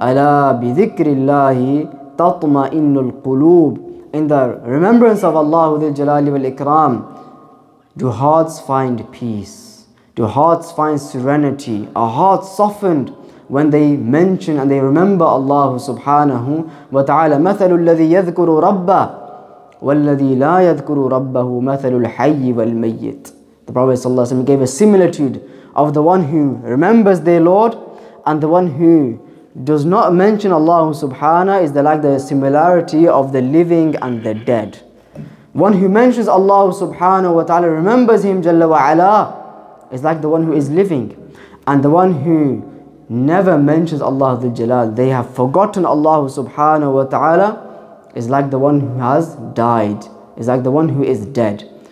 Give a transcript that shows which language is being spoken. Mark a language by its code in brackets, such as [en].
[ar] Ala bi dhikri Allahi tatma'innu al-qulub. [en] In the remembrance of Allah [ar] dhil jalali wal ikram, [en] do hearts find peace? Do hearts find serenity? Are hearts softened when they mention and they remember Allah [ar] subhanahu wa ta'ala? Mathalu alladhi yadhkuru rabbahu والذي لا يذكر ربه مثل الحي والميت. [en] The Prophet [ar] صلى الله عليه وسلم [en] gave a similitude of the one who remembers their Lord, and the one who does not mention Allah subhanahu is like the similarity of the living and the dead. One who mentions Allah [ar] subhanahu wa ta'ala, [en] remembers him [ar] jalla wa ala, [en] is like the one who is living, and the one who never mentions Allah the Jalal, they have forgotten Allah subhanahu wa ta'ala, is like the one who has died, is like the one who is dead.